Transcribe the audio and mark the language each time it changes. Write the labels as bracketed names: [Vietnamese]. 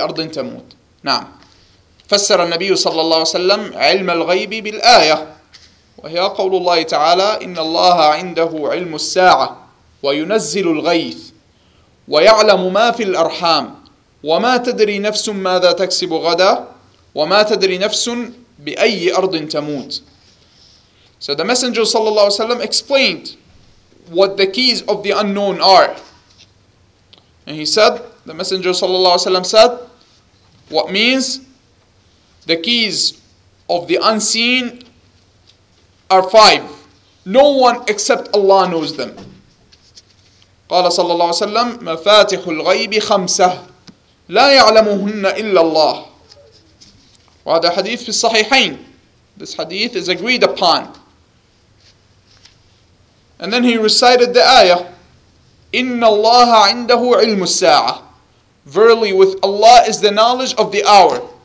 [Arabic] أرض تموت نعم فسر النبي صلى الله عليه وسلم علم الغيب بالآية وهي قول الله تعالى إن الله عنده علم الساعة وينزل الغيث ويعلم ما في الأرحام وما تدري نفس ماذا تكسب غدا وما تدري نفس بأي أرض تموت. [English] So the messenger صلى الله عليه وسلم explained what the keys of the unknown are. And he said, the messenger صلى الله عليه وسلم said, what means The keys of the unseen are five. No one except Allah knows them. [Arabic] قال صلى الله عليه وسلم مفاتح الغيب خمسة لا يعلمهن إلا الله. وهذا حديث في الصحيحين. [English] This hadith is agreed upon. And then he recited the ayah. [Arabic] إن الله عنده علم الساعة. [English] Verily with Allah is the knowledge of the hour.